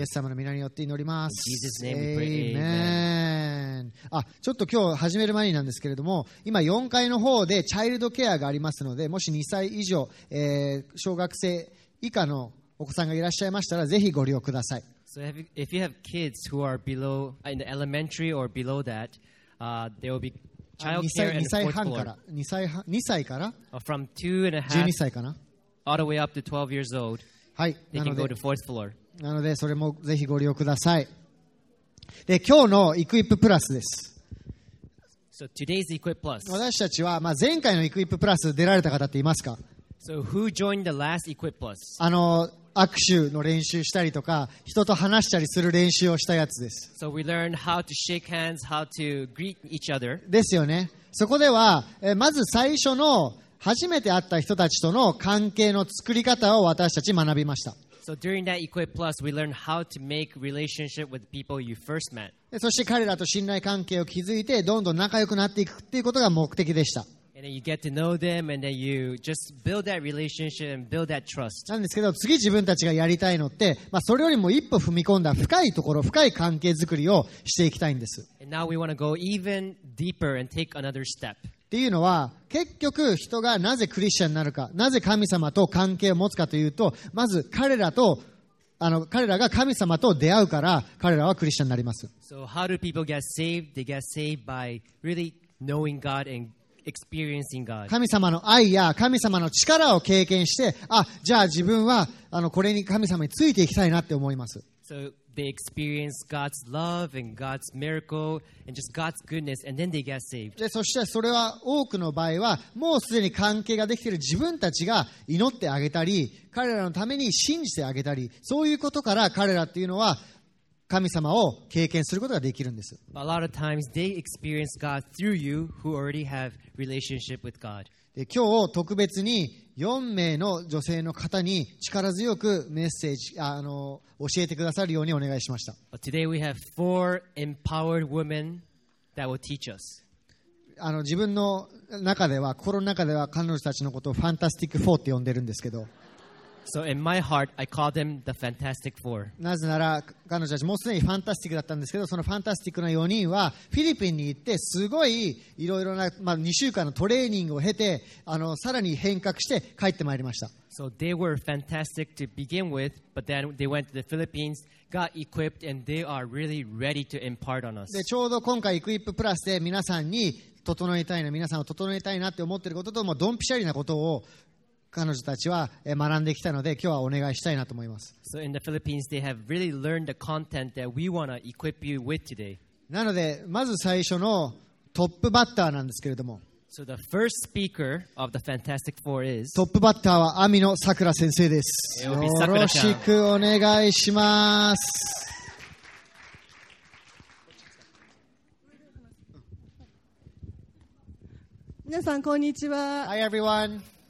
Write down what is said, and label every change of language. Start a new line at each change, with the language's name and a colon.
Japanese: イエス様の皆によって祈ります。
English: In Jesus name we pray. Amen.
Japanese: あ、ちょっと今日始める前になんですけれども今4階の方でチャイルドケアがありますのでもし2歳以上、小学生以下のお子さんがいらっしゃいましたらぜひご利用ください。
English: So if you have kids who are below in the elementary or below that, there will be child care in the fourth floor.
Japanese: 2歳から
English: from 2.5
Japanese: 12歳かな
English: all the way up to 12 years old.
Japanese: はい、
English: they can go to fourth floor.
Japanese: なのでそれもぜひご利用ください。で、今日のイクイッププラスです。
English: So today's Equip Plus.
Japanese: 私たちは、まあ、前回のイクイッププラス出られた方っていますか。
English: So who joined the last Equip Plus?
Japanese: 握手の練習したりとか人と話したりする練習をしたやつです。
English: So we learned how to shake hands, how to greet each other.
Japanese: ですよね。そこではまず最初の初めて会った人たちとの関係の作り方を私たち学びました。
English: So during that Equip Plus, we learned how to make relationship with people you first met.
Japanese: そして彼らと信頼関係を築いてどんどん仲良くなっていくっていうことが目的でした。
English: And then you get to know them, and then you just build that relationship and build that trust.
Japanese: なんですけど、次自分たちがやりたいのって、まあ、それよりも一歩踏み込んだ深いところ、深い関係づくりをしていきたいんです。
English: And now we want to go even deeper and take another step.
Japanese: っていうのは、結局人がなぜクリスチャンになるか、なぜ神様と関係を持つかというと、まず彼らが神様と出会うから、彼らはクリスチャンになります。
English: So how do people get saved? They get saved by really knowing God and experiencing God.
Japanese: 神様の愛や神様の力を経験して、あ、じゃあ自分はこれに神様についていきたいなって思います。
English: So they experience God's love and God's miracle and just God's goodness and then they get saved.
Japanese: で、そしてそれは多くの場合はもうすでに関係ができている自分たちが祈ってあげたり、彼らのために信じてあげたり、そういうことから彼らっていうのは神様を経験することができるんです。
English: A lot of times they experience God through you who already have relationship with God.
Japanese: で、今日特別に4名の女性の方に力強くメッセージ、教えてくださるようにお願いしました。
English: But today we have four empowered women that will teach us.
Japanese: 自分の中では、心の中では彼女たちのことをファンタスティック4って呼んでるんですけど、
English: So in my heart, I call them the Fantastic Four.
Japanese: なぜなら彼女たちもうすでにファンタスティックだったんですけど、そのファンタスティックな4人はフィリピンに行ってすごいいろいろな、まあ、2週間のトレーニングを経てさらに変革して帰ってまいりました。
English: So they were fantastic to begin with, but then they went to the Philippines, got equipped, and they are really ready to impart on us.
Japanese: で、ちょうど今回イクイッププラスで皆さんに整えたいな、皆さんを整えたいなって思っていることともドンピシャリなことを彼女たちは学んできたので今日はお願いしたいなと思います。
English: So in the Philippines, they have really learned the content that we want to equip you with today.
Japanese: なのでまず最初のトップバッターなんですけれども。
English: So the first speaker of the Fantastic Four is
Japanese: トップバッターは網野さくら先生です。よろしくお願いします。皆さんこんにちは。
English: Hi everyone.